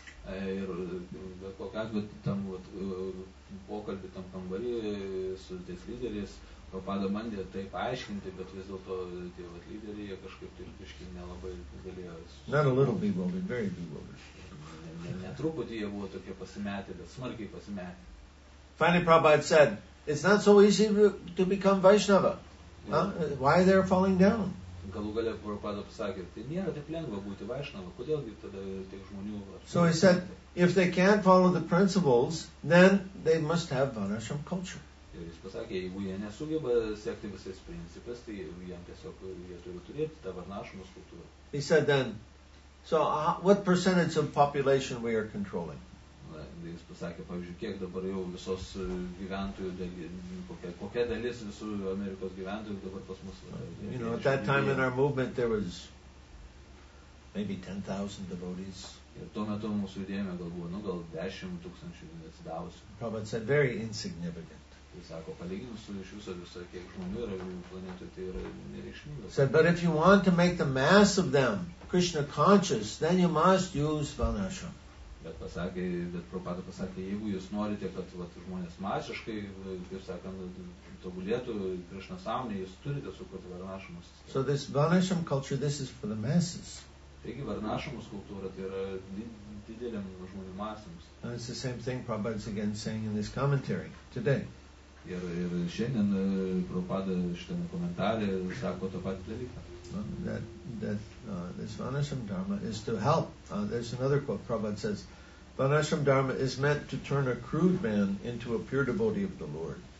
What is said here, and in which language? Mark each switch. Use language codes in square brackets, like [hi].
[lt] Ir bet kokiu atveju tam pokalbį tam kambarį su tais lyderiais Prabhupada bandė tai paaiškinti, bet vis dėlto tie vat lyderiai jie kažkaip tirpiškai nelabai galėjo. [en] Not a little bewildered, very bewildered. [lt] Netruputį jie buvo tokie pasimetę, bet smarkiai pasimetę. [en] Finally Prabhupada said, it's not so easy to become Vaishnava. Huh? Why they're falling down? [lt] Galų galia Prabhupada pasakė, tai nėra taip lengva būti Vaishnava, kodėl tada tiek žmonių. [en] So he said, if they can't follow the principles, then they must have Vanashram culture. [lt] Ir jis pasakė, jeigu jie nesugeba sekti visais principais, tai jiems tiesiog jie turi turėti tą Vanashramo kultūrą. [en] He said then, so what percentage of population we are controlling? [lt] Jis pasakė, pavyzdžiui, kiek dabar jau visos gyventojų kokia dalis visų Amerikos gyventojų dabar pas mus. [en] You know, at that time in our movement there was maybe 10,000 devotees. [lt] Ir tuo metu mūsų judėjime gal buvo, gal 10,000 atsidavusių. [en] Prabhupada said very insignificant. [lt] Jis sako, palyginus su iš viso viso, kiek žmonių yra planetoje, tai yra nereikšminga. [en] Said, but if you want to make the mass of them Krishna conscious, then you must use Vanashram. [lt] Bet Prabhupada pasakė, jeigu jūs norite, kad vat, žmonės masiškai, kaip sakant, tobulėtų Krishna sąmonė, jūs turite sukurti Vanashramo sistemą. [en] So this Vanashram culture, this is for the masses. [lt] Taigi Vanashramo kultūra, tai yra didelėm žmonių masėms. [en] And it's the same thing Prabhupada is again saying in this commentary today. [lt] Ir šiandien Prabhupada šitame komentare sako tą patį dalyką. [en] This Vanashram Dharma is to help. There's another quote. Prabhupada says, Vanashram Dharma is meant to turn a crude man into a pure devotee of the Lord.